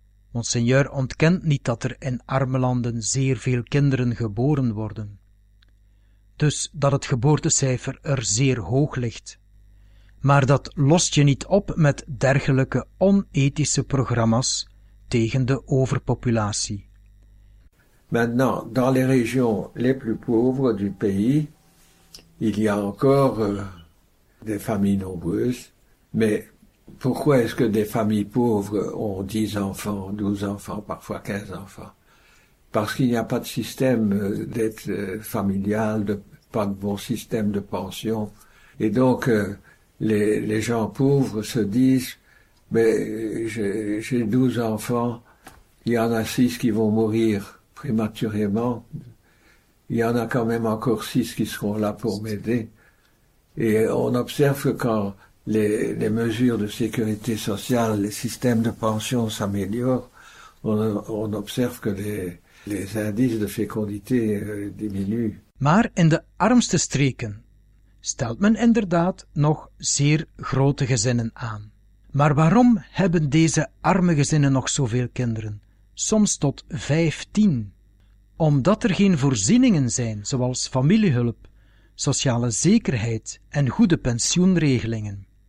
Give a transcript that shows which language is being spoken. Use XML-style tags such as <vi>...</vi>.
<nl>Monseigneur ontkent niet dat er in arme landen zeer veel kinderen geboren worden. Dus dat het geboortecijfer er zeer hoog ligt. Maar dat lost je niet op met dergelijke onethische programma's tegen de overpopulatie.</nl> <fr>Maintenant, dans les régions les plus pauvres du pays, il y a encore des familles nombreuses. Mais pourquoi est-ce que des familles pauvres ont 10 enfants, 12 enfants, parfois 15 enfants? Parce qu'il n'y a pas de système d'aide familiale, pas de bon système de pension. Et donc, les gens pauvres se disent, mais j'ai 12 enfants, il y en a 6 qui vont mourir prématurément, il y en a quand même encore 6 qui seront là pour m'aider. Et on observe que quand les mesures de sécurité sociale, les systèmes de pension s'améliorent, on observe que les indices de fécondité diminuent.</fr> <nl>Maar in de armste streken stelt men inderdaad nog zeer grote gezinnen aan. Maar waarom hebben deze arme gezinnen nog zoveel kinderen? Soms tot 15. Omdat er geen voorzieningen zijn, zoals familiehulp, sociale zekerheid en goede pensioenregelingen.</nl>